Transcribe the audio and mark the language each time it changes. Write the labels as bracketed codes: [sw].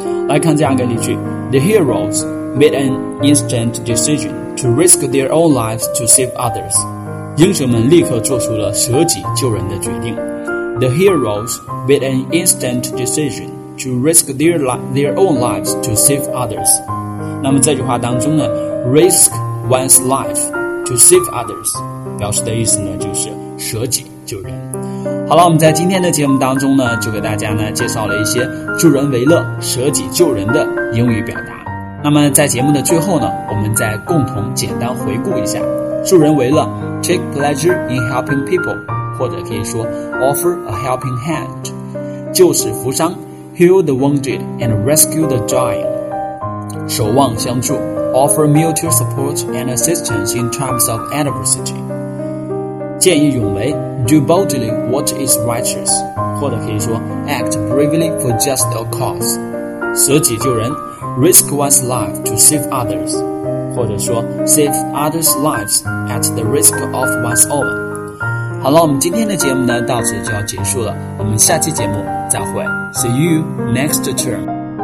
[zh] 来看这样一个例句， [en] The heroes made an instant decision to risk their own lives to save others， [zh] 英雄们立刻做出了舍己救人的决定。 [en] The heroes made an instant decision to risk their own lives to save others。 [zh] 那么这句话当中呢， [en] risk one's life to save others [zh] 表示的意思呢，就是舍己救人。好了，我们在今天的节目当中呢，就给大家呢介绍了一些助人为乐、舍己救人的英语表达。那么在节目的最后呢，我们再共同简单回顾一下，助人为乐 [en] take pleasure in helping people， [zh] 或者可以说 [en] offer a helping hand， [zh] 救死扶伤 [en] heal the wounded and rescue the dying， [zh] 守望相助 [en] offer mutual support and assistance in times of adversity， [zh] 见义勇为 [en] Do boldly what is righteous， [zh] 或者可以说 [en] act bravely for just a cause， [zh] 舍己救人， [en] risk one's life to save others， [zh] 或者说 [en] save others' lives at the risk of one's own。 [zh] 好了，我们今天的节目呢到此就要结束了，我们下期节目再会， [en] See you next term。